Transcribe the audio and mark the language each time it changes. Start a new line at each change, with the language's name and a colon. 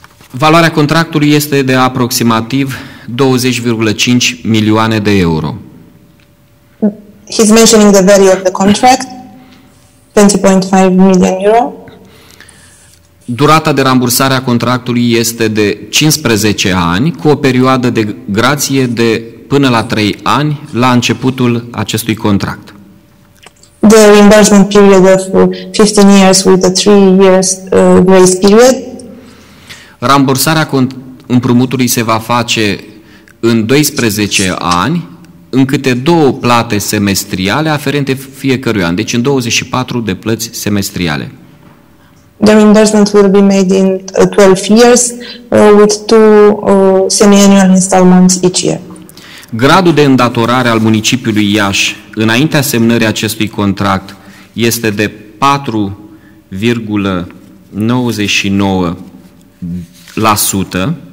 Romanian: Valoarea contractului este de aproximativ 20,5 milioane de euro.
English: He's mentioning the value of the contract, 20.5 million euro.
Romanian: Durata de rambursare a contractului este de 15 ani, cu o perioadă de grație de până la 3 ani la începutul acestui contract.
English: The reimbursement period of 15 years with a 3 years grace period.
Romanian: Rambursarea împrumutului se va face în 12 ani, în câte două plate semestriale aferente fiecărui an, deci în 24 de plăți semestriale.
English: The reimbursement will be made in 12 years with two semi-annual installments each year.
Romanian: Gradul de îndatorare al municipiului Iași înaintea semnării acestui contract este de 4,99%.